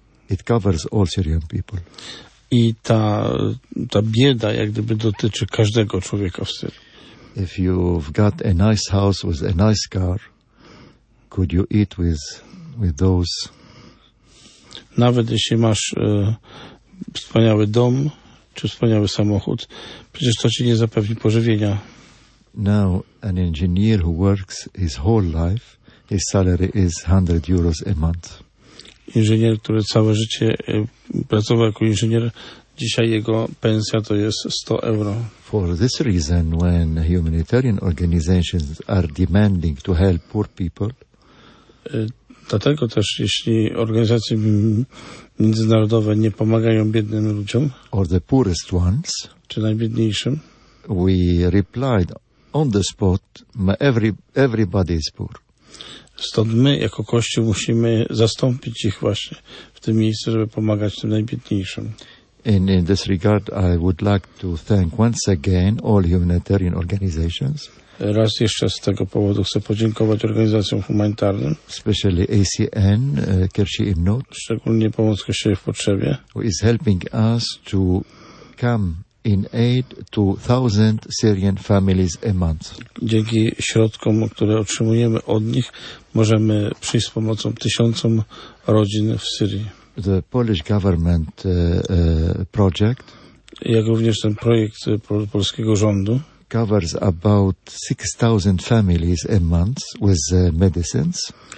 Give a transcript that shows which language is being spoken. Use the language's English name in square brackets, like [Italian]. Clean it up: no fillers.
[English] It covers all Syrian people. [Polish] I ta bieda jak gdyby dotyczy każdego człowieka w Syrii. [English] If you've got a nice house with a nice car, could you eat with those? [Polish] Nawet jeśli masz wspaniały dom czy wspaniały samochód, przecież to ci nie zapewni pożywienia. [English] Now an engineer who works his whole life, his salary is 100 euros a month. [Polish] Inżynier, który całe życie pracował jako inżynier, dzisiaj jego pensja to jest 100 euro. [English] For this reason, when humanitarian organizations are demanding to help poor people, [Polish] dlatego też, jeśli organizacje międzynarodowe nie pomagają biednym ludziom, [English] or the poorest ones, [Polish] czy najbiedniejszym, [English] we replied on the spot, everybody is poor. [Polish] Stąd my, jako Kościół, musimy zastąpić ich właśnie w tym miejscu, żeby pomagać tym najbiedniejszym. [English] In this regard, I would like to thank once again all humanitarian organizations. [Polish] Raz jeszcze z tego powodu chcę podziękować organizacjom humanitarnym. [English] Especially ACN, Kershi Imnot. [Polish] Szczególnie Pomoc Kościoła w Potrzebie. [English] Who is helping us to come in aid to 1,000 Syrian families a month. [Polish] Dzięki środkom, które otrzymujemy od nich, możemy przyjść z pomocą 1,000 rodzin w Syrii. [English] The Polish government project, [Polish] jak również ten projekt polskiego rządu, [English] covers about 6,000 families a month with medicines.